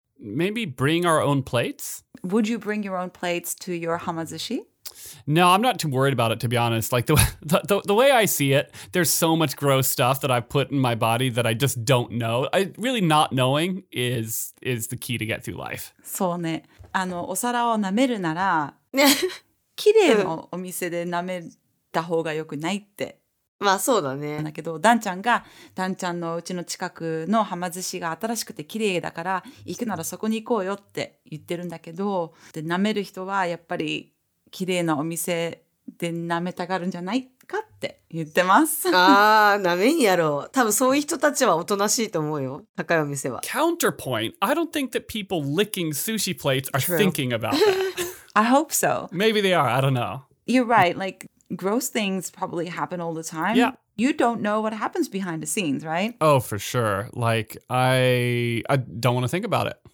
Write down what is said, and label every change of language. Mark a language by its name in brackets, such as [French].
[English] Maybe bring our own plates? Would you bring your own plates to your hamazushi? No, I'm not too worried about it, to be honest. Like, the way I see it, there's so much gross stuff that I've put in my body that I just don't know. I really, not knowing is the key to get through life. [Japanese] そうね。あの、お皿を舐めるなら、綺麗なお店で舐めた方がよくないって。まあそうだね。だけど、ダンちゃんが、ダンちゃんのうちの近くの浜寿司が新しくて綺麗だから、行くならそこに行こうよって言ってるんだけど、で舐める人はやっぱり、綺麗なお店で舐めたがるんじゃないかって言ってます。ああ、舐めんやろう。多分そういう人たちはおとなしいと思うよ。高いお店は。 [English] Counterpoint: I don't think that people licking sushi plates are thinking about that. I hope so. Maybe they are. I don't know. You're right. Like gross things probably happen all the time. Yeah. You don't know what happens behind the scenes, right? Oh, for sure. Like I don't want to think about it.